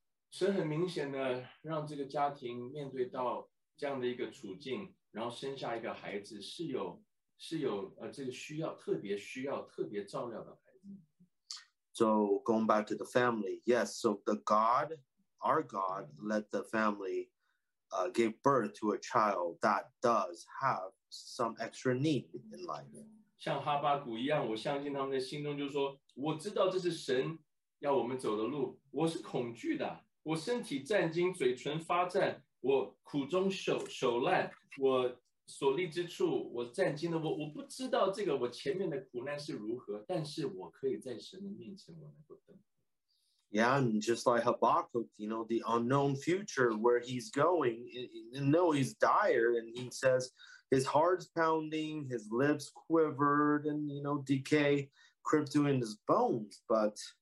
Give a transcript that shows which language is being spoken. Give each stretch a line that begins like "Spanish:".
Chinese: 神很明显的让这个家庭面对到这样的一个处境，然后生下一个孩子是有这个需要特别照料的孩子。
English: So going back to the family, yes. So the God, our God, let the family, give birth to a child that does have some extra need in life.
Chinese: 像哈巴谷一样，我相信他们的心中就说，我知道这是神要我们走的路，我是恐惧的。我身体战惊，嘴唇发颤，我苦中手烂，我所立之处，我战惊的，我不知道这个我前面的苦难是如何，但是我可以在神的面前，我能够等。
English: Yeah, and just like Habakkuk, you know, the unknown future where he's going, you know, he's dire, and he says his heart's pounding, his lips quivered, and you know, decay crept in his bones, but.